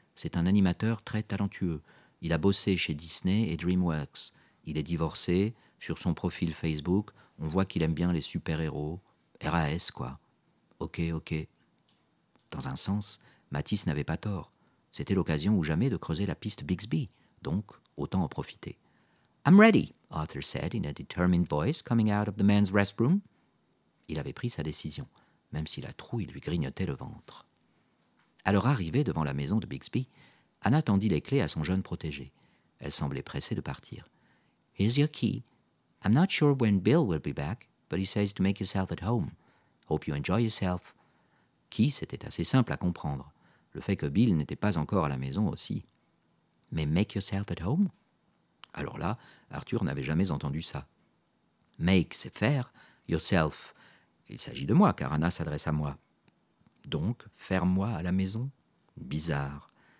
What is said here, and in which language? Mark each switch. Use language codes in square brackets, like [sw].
[fr] C'est un animateur très talentueux. Il a bossé chez Disney et DreamWorks. » Il est divorcé, sur son profil Facebook, on voit qu'il aime bien les super-héros. RAS, quoi. Ok, ok. Dans un sens, Matisse n'avait pas tort. C'était l'occasion ou jamais de creuser la piste Bixby, donc autant en profiter. [en] I'm ready, Arthur said in a determined voice coming out of the men's restroom. [fr] Il avait pris sa décision, même si la trouille lui grignotait le ventre. À leur arrivée devant la maison de Bixby, Anna tendit les clés à son jeune protégé. Elle semblait pressée de partir. [en] Here's your key. I'm not sure when Bill will be back, but he says to make yourself at home. Hope you enjoy yourself. [fr] Key, c'était assez simple à comprendre. Le fait que Bill n'était pas encore à la maison aussi. Mais [en] make yourself at home? [fr] Alors là, Arthur n'avait jamais entendu ça. Make, c'est faire. Yourself. Il s'agit de moi, car Anna s'adresse à moi. Donc, ferme-moi à la maison? Bizarre.